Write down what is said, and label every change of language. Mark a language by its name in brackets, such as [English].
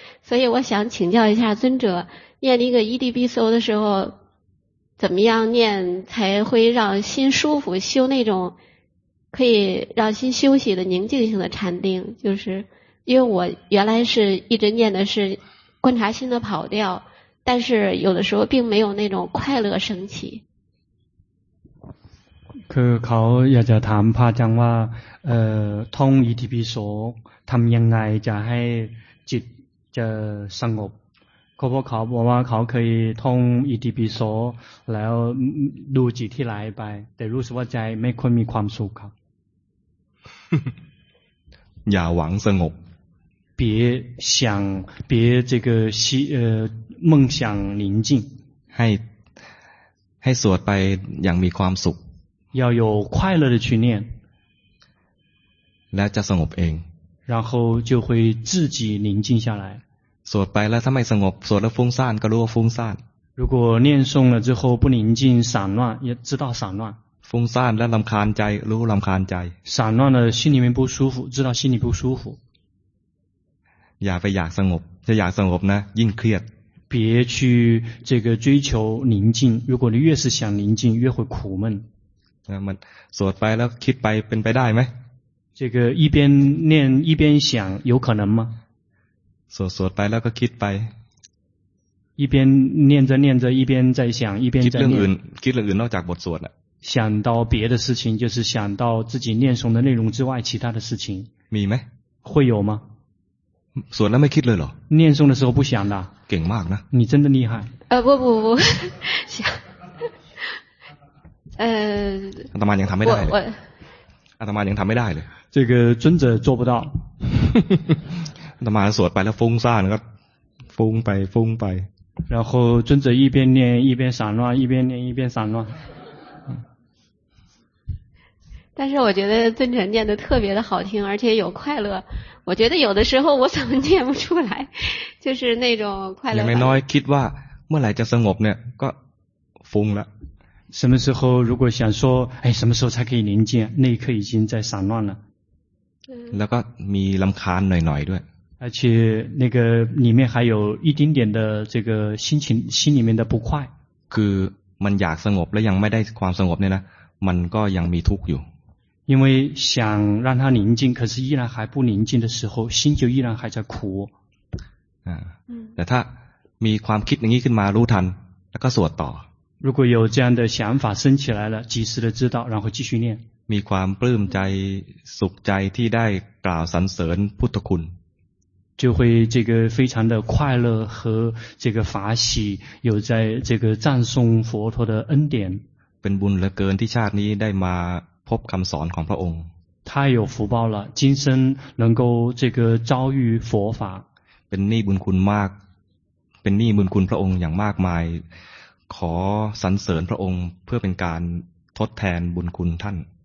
[Chinese] 所以我想请教一下尊者，念那个一地比索的时候怎么样念才会让心舒服，修那种可以让心休息的宁静性的禅定。就是因为我原来是一直念的是观察心的跑掉，但是有的时候并没有那种快乐升起。 [Thai] คือเขาอยากจะถามพระอาจารย์ว่าท่องอิติปิโสทำยังไงจะให้จิตจะสงบเพราะเขาบอกว่าเขาเคยท่องอิติปิโสแล้วดูจิตที่ไหลไปแต่รู้สึกว่าใจไม่ค่อยมีความสุขครับ อย่าหวังสงบ [Chinese] 别想别这个希梦想宁静 [Thai] ให้สวดไปอย่างมีความสุข [Chinese] 要有快乐的去念 [Thai] แล้วจะสงบเอง [Chinese] 然后就会自己宁静下来 [Thai] สวดไปแล้วถ้าไม่สงบสวดแล้วฟุ้งซ่านก็รู้ว่าฟุ้งซ่าน [Chinese] 如果念诵了之后不宁静散乱也知道散乱 [Thai] ฟุ้งซ่านแล้วรำคาญใจรู้รำคาญใจ [Chinese] 散乱了心里面不舒服知道心里不舒服 [Thai] อย่าไปอยากสงบจะอยากสงบนะยิ่งเครียด [Chinese] 别去这个追求宁静如果你越是想宁静越会苦闷 [Thai] มันสวดไปแล้วคิดไปเป็นไปได้ไหม [Chinese] 这个一边念一边想有可能吗 [Thai] สวดไปแล้วก็คิดไป [Chinese] 一边念着念着一边在想一边在念 [Thai] คิดเรื่องอื่นนอกจากบทสวดอะ [Chinese] 想到别的事情就是想到自己念诵的内容之外其他的事情 [Thai] มีไหม [Chinese] 会有吗 [Thai] สวดแล้วไม่คิดเลยเหรอ [Chinese] 念诵的时候不想的 [Thai] เก่งมากนะ [Chinese] 你真的厉害不想 [Thai] อาตมายังทำไม่ได้เลยอาตมายังทำไม่ได้เลย [Chinese] 这个尊者做不到 [Thai] อาตมาสวดไปแล้วฟุ้งซ่านก็ฟุ้งไปฟุ้งไป [Chinese] 然后尊者一边念一边散乱一边念一边散乱但是我觉得尊者念得特别的好听而且有快乐我觉得有的时候我怎么念不出来就是那种快乐 [Thai] ยังไม่น้อยคิดว่าเมื่อไหร่จะสงบเนี่ยก็ฟุ้งละ [Chinese] 什么时候如果想说哎什么时候才可以宁静那一刻已经在散乱了 [Thai] แล้วก็มีรำคาญหน่อยๆด้วย [Chinese] 而且那个里面还有一丁点的这个心情心里面的不快 [Thai] คือมันอยากสงบแล้วยังไม่ได้ความสงบเนี่ยนะมันก็ยังมีทุกข์อยู่ [Chinese] 因为想让它宁静可是依然还不宁静的时候心就依然还在苦 [Thai] แต่ถ้ามีความคิดอย่างนี้ขึ้นมารู้ทันแล้วก็สวดต่อ [Chinese] 如果有这样的想法升起来了及时的知道然后继续念 [Thai] มีความปลื้มใจสุขใจที่ได้กล่าวสรรเสริญพุทธคุณ [Chinese] 就会这个非常的快乐和这个法喜有在这个赞颂佛陀的恩典 [Thai] เป็นบุญเหลือเกินที่ชาตินี้ได้มาพบคำสอนของพระองค์ [Chinese] 太有福报了今生能够这个遭遇佛法 [Thai] เป็นหนี้บุญคุณมากเป็นหนี้บุญคุณพระองค์อย่างมากมายขอสรรเสริญพระองค์เพื่อเป็นการทดแทนบุญคุณท่าน